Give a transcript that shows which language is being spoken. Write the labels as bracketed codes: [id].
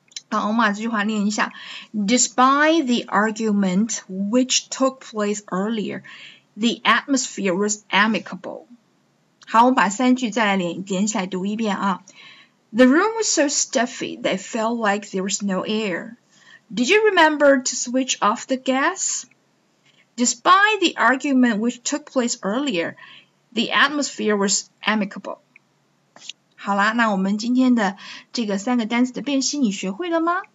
[zh] 那我们把这句话念一下： [en] Despite the argument which took place earlier, the atmosphere was amicable。 [zh] 好，我们把三句再来连起来读一遍啊。 [en] The room was so stuffy that it felt like there was no air. Did you remember to switch off the gas? Despite the argument which took place earlier, the atmosphere was amicable. [zh] 好啦，那我们今天的这个三个单词的辨析你学会了吗？